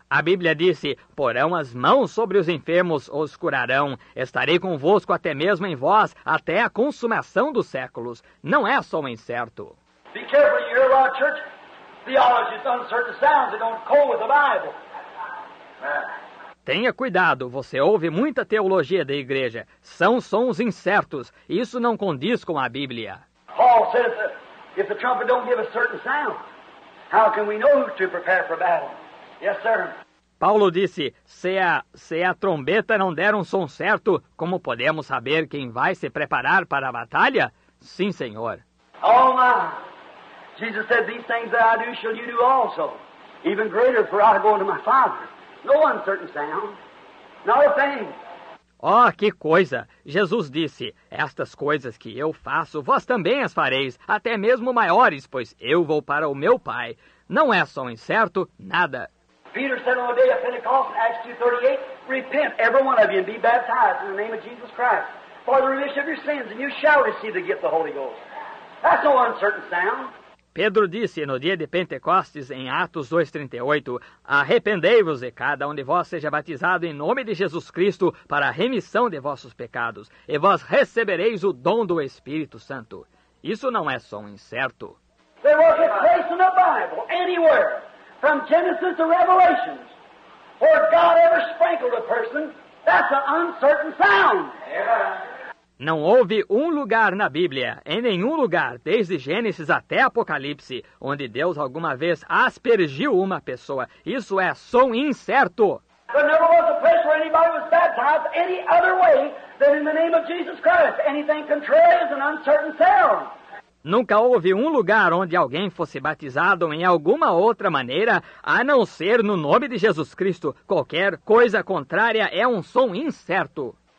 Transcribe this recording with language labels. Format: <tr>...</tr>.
<pt>A Bíblia disse, porão as mãos sobre os enfermos, os curarão. Estarei convosco até mesmo em vós, até a consumação dos séculos. Não é só um incerto.</pt> <en>Be careful, you hear a lot of church theologies, uncertain sounds that don't go with the Bible.</en> <pt>Tenha cuidado, você ouve muita teologia da igreja. São sons incertos. Isso não condiz com a Bíblia.</pt> <en>Paul says that if the trumpet don't give a certain sound, how can we know to prepare for battle? Yes, sir.</en> <pt>Paulo disse, se a trombeta não der um som certo, como podemos saber quem vai se preparar para a batalha? Sim, senhor.</pt> <en>Oh, my. Jesus said, these things that I do shall you do also. Even greater, for I go unto my Father. No uncertain sound. Not a thing.</en> <pt>Oh, que coisa! Jesus disse, estas coisas que eu faço, vós também as fareis, até mesmo maiores, pois eu vou para o meu Pai. Não é só um incerto, nada.</pt> <en>Peter said on the day of Pentecost, Acts 2:38, repent, every one of you, and be baptized in the name of Jesus Christ, for the remission of your sins, and you shall receive the gift of the Holy Ghost. That's no uncertain sound.</en> <pt>Pedro disse no dia de Pentecostes, em Atos 2:38, arrependei-vos e cada um de vós seja batizado em nome de Jesus Cristo para a remissão de vossos pecados, e vós recebereis o dom do Espírito Santo. Isso não é só um incerto.</pt> <en>There was a place in the Bible, anywhere, from Genesis to Revelation, where God ever sprinkled a person, that's an uncertain sound.</en> <pt>Não houve um lugar na Bíblia, em nenhum lugar, desde Gênesis até Apocalipse, onde Deus alguma vez aspergiu uma pessoa. Isso é som incerto.</pt> <en>There never was a place where anybody was baptized any other way than in the name of Jesus Christ. Anything contrary is an uncertain sound.</en> <pt>Nunca houve lugar onde alguém fosse batizado em alguma outra maneira, a não ser no nome de Jesus Cristo. Qualquer coisa contrária é som incerto.</pt>